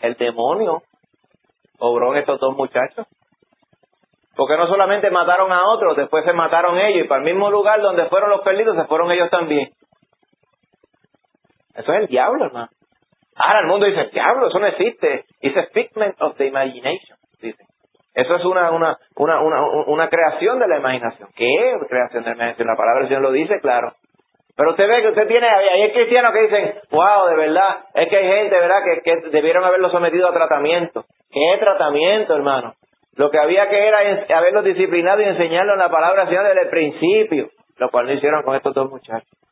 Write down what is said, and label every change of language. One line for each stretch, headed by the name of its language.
Spanish: El demonio obró en estos dos muchachos. Porque no solamente mataron a otros, después se mataron ellos. Y para el mismo lugar donde fueron los perdidos, se fueron ellos también. Eso es el diablo, hermano. Ahora el mundo dice, diablo, eso no existe.
English: It's a figment of the imagination, dice.
Spanish: Eso es una creación de la imaginación. ¿Qué es creación de la imaginación? La palabra del Señor lo dice, claro. Pero usted ve que usted tiene, hay cristianos que dicen, wow, de verdad, es que hay gente, ¿verdad?, que debieron haberlo sometido a tratamiento. ¿Qué tratamiento, hermano? Lo que había que era haberlo disciplinado y enseñarlo en la palabra del Señor desde el principio, lo cual no hicieron con estos dos muchachos.